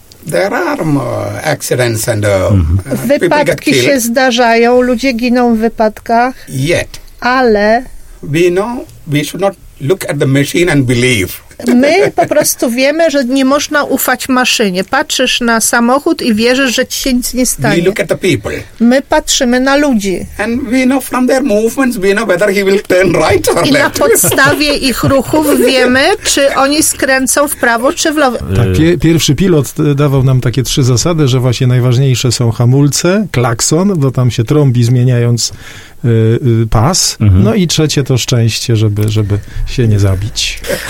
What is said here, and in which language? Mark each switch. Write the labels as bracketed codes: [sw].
[en] There are accidents and [pl] wypadki się zdarzają, ludzie giną w wypadkach. [en] Yet. [pl] Ale [en] we know we should not look at the machine and believe. [pl] My po prostu wiemy, że nie można ufać maszynie. Patrzysz na samochód i wierzysz, że ci się nic nie stanie. [en] We look at the people. [pl] My patrzymy na ludzi. [en] And we know from their movements, we know whether he will turn right or left. [pl] I na podstawie ich ruchów wiemy, czy oni skręcą w prawo, czy w lewo. Tak, pierwszy pilot dawał nam takie trzy zasady, że właśnie najważniejsze są hamulce, klakson, bo tam się trąbi, zmieniając pas. Mhm. No i trzecie to szczęście, żeby się nie zabić.